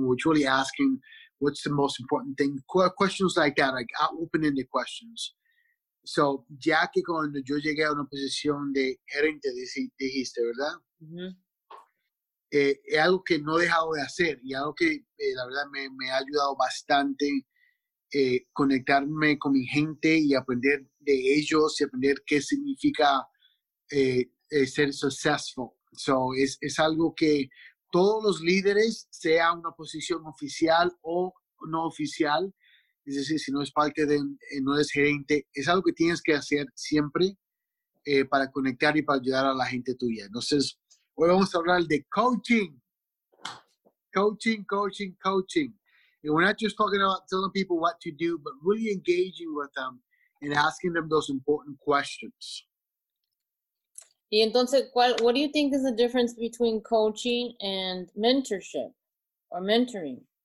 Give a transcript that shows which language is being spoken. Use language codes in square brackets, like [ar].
[en] We're truly asking what's the most important thing. Questions like that, like open-ended questions. [es] So, ya que cuando yo llegué a una posición de gerente, dijiste, ¿verdad? Mm-hmm. Es algo que no he dejado de hacer y algo que, la verdad, me ha ayudado bastante conectarme con mi gente y aprender de ellos y aprender qué significa ser successful. So, es algo que todos los líderes, sea una posición oficial o no oficial, es decir, si no es parte de, no es gerente, es algo que tienes que hacer siempre para conectar y para ayudar a la gente tuya. Entonces, hoy vamos a hablar de coaching. Coaching. [en] And we're not just talking about telling people what to do, but really engaging with them and asking them those important questions. [es] Y entonces, [en] what do you think is the difference between coaching and mentorship or mentoring?